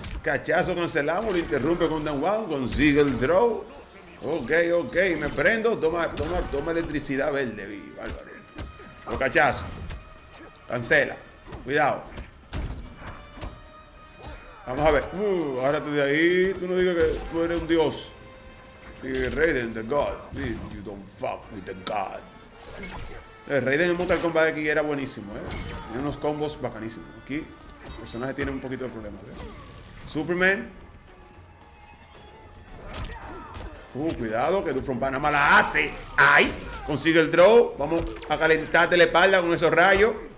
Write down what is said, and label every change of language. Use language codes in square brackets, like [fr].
[es] Cachazo, cancelamos, lo interrumpe con Dan Wong, consigue el draw. Ok, me prendo, toma electricidad verde, bárbaro. O cachazo, cancela, cuidado. Vamos a ver, agárrate de ahí, tú no digas que tú eres un dios. [en] Y Raiden, the god, you don't fuck with the god. [es] El Raiden en Mortal Kombat aquí era buenísimo, Tiene unos combos bacanísimos. Aquí, el personaje tiene un poquito de problema, Superman. Cuidado, que Dufo Panama la hace. ¡Ay! Consigue el draw, vamos a calentarte la espalda con esos rayos.